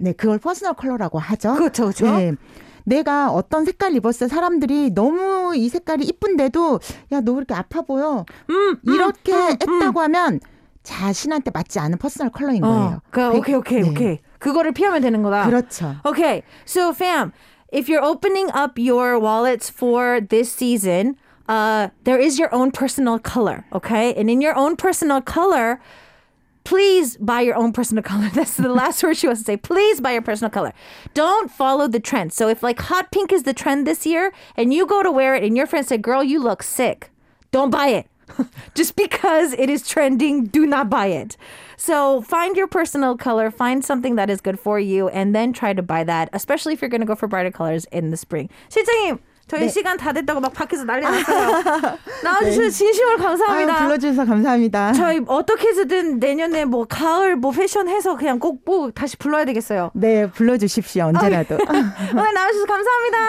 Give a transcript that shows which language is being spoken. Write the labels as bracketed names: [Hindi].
[Korean] 네, 그걸 퍼스널 컬러라고 하죠. 그렇죠, 그렇죠. 네, 내가 어떤 색깔 입었을 때 사람들이 너무 이 색깔이 이쁜데도 야, 너 왜 이렇게 아파 보여? 이렇게 했다고 하면 자신한테 맞지 않은 퍼스널 컬러인 거예요. 오케이. 그거를 피하면 되는 거다. 그렇죠. [English] Okay, so fam, if you're opening up your wallets for this season, there is your own personal color, okay? And in your own personal color, please buy your own personal color. That's the last word she wants to say. Please buy your personal color. Don't follow the trend. So if like hot pink is the trend this year and you go to wear it and your friend said, girl, you look sick, don't buy it. Just because it is trending, do not buy it. So find your personal color, find something that is good for you, and then try to buy that, especially if you're going to go for brighter colors in the spring. [Korean] 실장님, 저희 네. 시간 다 됐다고 막 밖에서 난리 났어요. 나와주셔서 네. 진심으로 감사합니다. 아유, 불러주셔서 감사합니다. 저희 어떻게 해서든 내년에 뭐 가을 뭐 패션 해서 그냥 꼭, 꼭 다시 불러야 되겠어요. 네, 불러주십시오. 언제라도. 오늘 나와주셔서 감사합니다.